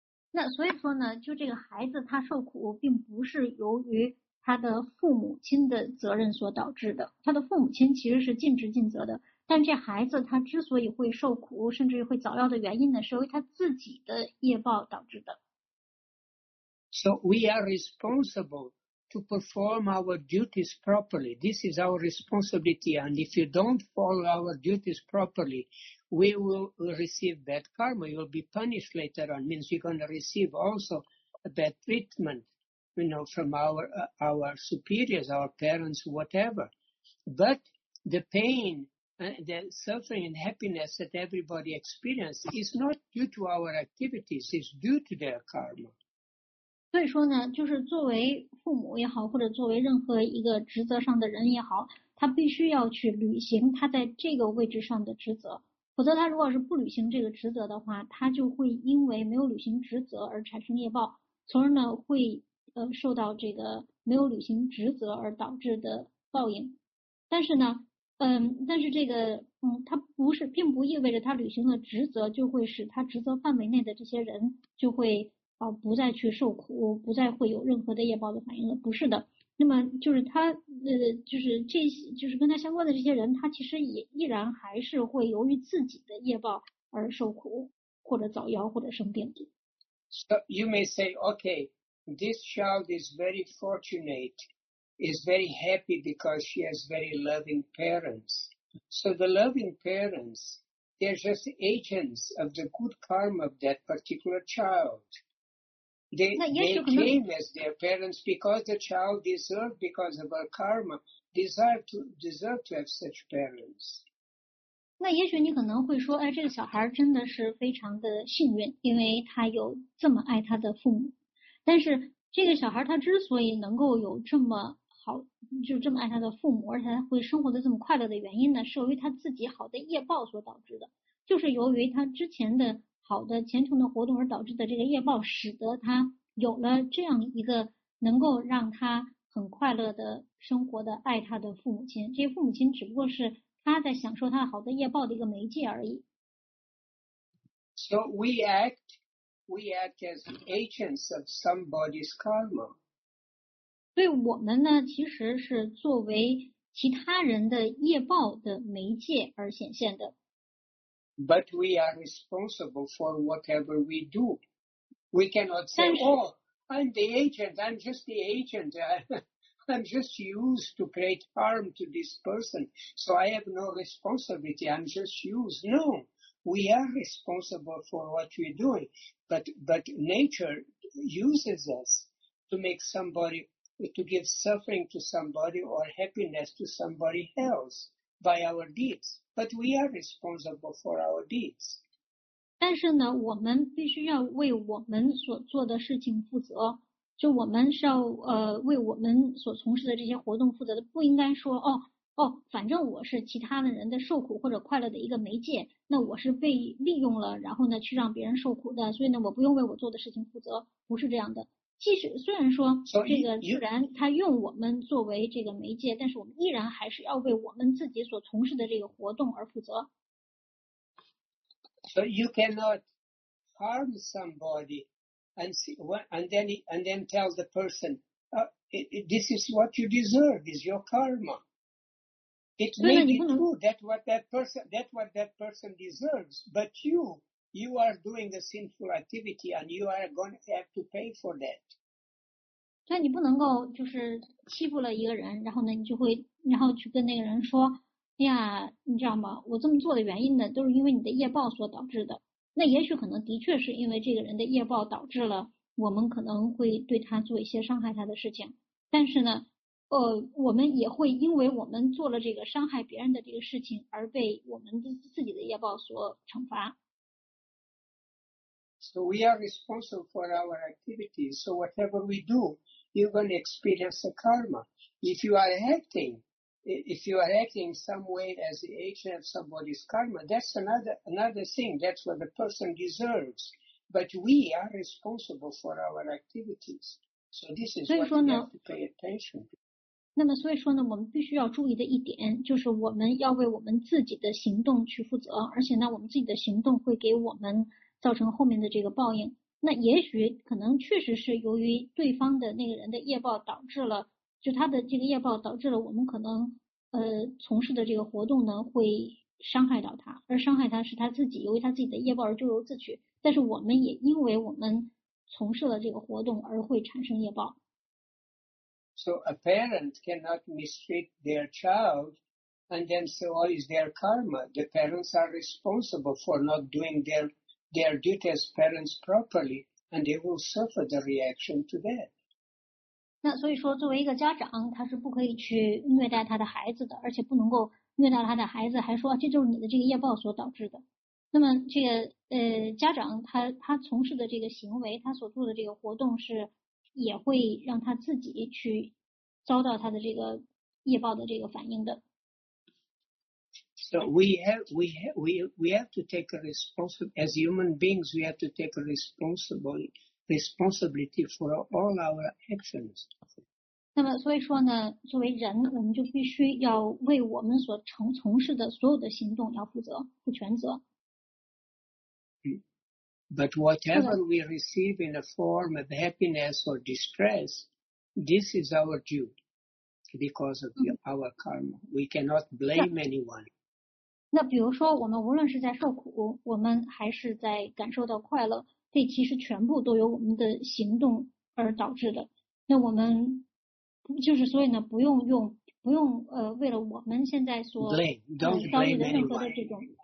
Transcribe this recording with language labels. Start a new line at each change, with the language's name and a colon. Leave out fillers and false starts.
Chinese: 那所以说呢，就这个孩子他受苦，并不是由于他的父母亲的责任所导致的。他的父母亲其实是尽职尽责的，但这孩子他之所以会受苦，甚至于会早夭的原因呢，是由于他自己的业报导致的。
English: So we are responsible to perform our duties properly. This is our responsibility. And if you don't follow our duties properly, we will receive bad karma. You will be punished later on. It means you're going to receive also a bad treatment, you know, from our superiors, our parents, whatever. But the pain, the suffering and happiness that everybody experiences is not due to our activities. It's due to their karma.
Chinese: 所以说呢，就是作为父母也好，或者作为任何一个职责上的人也好，他必须要去履行他在这个位置上的职责。否则他如果是不履行这个职责的话，他就会因为没有履行职责而产生业报，从而呢会受到这个没有履行职责而导致的报应。但是呢，但是这个他不是，并不意味着他履行了职责就会使他职责范围内的这些人就会不再去受苦，不再会有任何的业报的反应了，不是的。那么就是他就是这些，就是跟他相关的这些人，他其实也依然还是会由于自己的业报而受苦，或者早夭，或者生病。
English: So you may say, okay, this child is very fortunate, is very happy because she has very loving parents. So the loving parents, they're just agents of the good karma of that particular child. They came as their parents because the child deserved, because of her karma, deserved to have such parents.
Chinese: 那也许你可能会说，哎，这个小孩真的是非常的幸运，因为他有这么爱他的父母。但是这个小孩他之所以能够有这么好，就这么爱他的父母，而且他会生活的这么快乐的原因呢，是由于他自己好的业报所导致的，就是由于他之前的好的虔诚的活动而导致的这个业报，使得他有了这样一个能够让他很快乐的生活的爱他的父母亲。这些父母亲只不过是他在享受他好的业报的一个媒介而已。
English: So we act as agents of somebody's karma.
Chinese: 对我们呢，其实是作为其他人的业报的媒介而显现的。
English: But we are responsible for whatever we do. We cannot say, oh, I'm the agent, I'm just the agent. I'm just used to create harm to this person. So I have no responsibility, I'm just used. No, we are responsible for what we're doing. But nature uses us to make somebody, to give suffering to somebody or happiness to somebody else. By our deeds, but we are responsible for our deeds.
Chinese: 但是呢，我们必须要为我们所做的事情负责。就我们是要为我们所从事的这些活动负责的，不应该说哦，反正我是其他的人的受苦或者快乐的一个媒介，那我是被利用了，然后呢去让别人受苦的，所以呢我不用为我做的事情负责，不是这样的。即使虽然说这个自然他用我们作为这个媒介，但是我们依然还是要为我们自己所从事的这个活动而负责。
English: So you cannot harm somebody and then tell the person, this is what you deserve, is your karma. It may be true that what that person deserves, but you are doing a sinful activity and you are going to have to pay for that.
Chinese: 所以你不能够就是欺负了一个人，然后呢你就会然后去跟那个人说，哎呀，你知道吗，我这么做的原因呢都是因为你的业报所导致的。那也许可能的确是因为这个人的业报导致了我们可能会对他做一些伤害他的事情。但是呢我们也会因为我们做了这个伤害别人的这个事情而被我们自己的业报所惩罚。
English: So we are responsible for our activities. So whatever we do, you're going to experience the karma. If you are acting some way as the agent of somebody's karma, that's another thing. That's what the person deserves. But we are responsible for our activities. So this is what you have to pay attention to.
Chinese: 那么所以说呢，我们必须要注意的一点就是我们要为我们自己的行动去负责，而且呢我们自己的行动会给我们造成后面的这个报应。那也许可能确实是由于对方的那个人的业报导致了，就他的这个业报导致了我们可能从事的这个活动呢会伤害到他，而伤害他是他自己由于他自己的业报而咎由自取，但是我们也因为我们从事了这个活动而会产生业报。
English: So a parent cannot mistreat their child and then say, oh, it's their karma. The parents are responsible for not doing their duty as parents properly, and they will suffer the reaction to that.
Chinese: 那所以说作为一个家长他是不可以去虐待他的孩子的而且不能够虐待他的孩子还说这就是你的这个业报所导致的。那么这个家长他从事的这个行为他所做的这个活动是也会让他自己去遭到他的这个业报的这个反应的。
English: So we have to take a responsibility, as human beings, we have to take a responsibility for all our actions.
Chinese: 那么所以说呢作为人我们就必须要为我们所从事的所有的行动要负责负全责。
English: But whatever we receive in a form of happiness or distress, this is our due because of our karma. We cannot blame anyone.
Chinese: 那比如说我们无论是在受苦我们还是在感受到快乐这其实全部都由我们的行动而导致的。那我们就是所以呢不用用不用为了我们现在所遭遇的任何的这种。